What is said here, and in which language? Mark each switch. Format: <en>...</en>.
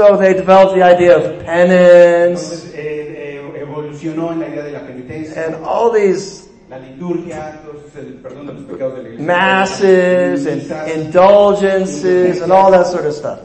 <en>So they developed the idea of penance.</en> <es>Entonces, evolucionó en la idea de la penitencia.</es> <en>And all these</en> <es>la liturgia, entonces, perdón, de los pecados de la iglesia,</es> <en>masses and indulgences and all that sort of stuff.</en>